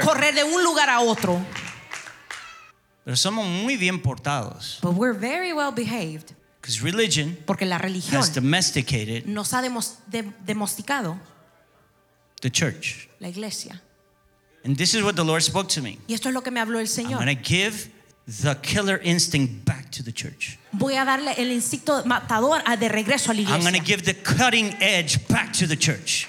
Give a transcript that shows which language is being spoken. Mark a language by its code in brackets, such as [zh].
[es] Correr de un lugar a otro. Pero somos muy bien portados. [en] But we're very well behaved. Because religion, [es] porque la religión, [en] has domesticated. [es] Nos ha domesticado. [en] The church. [es] La iglesia. [en] And this is what the Lord spoke to me. [es] Y esto es lo que me habló el Señor. [en] I'm going to give the killer instinct back to the church. [es] Voy a darle el instinto matador de regreso a la iglesia. [en] I'm going to give the cutting edge back to the church.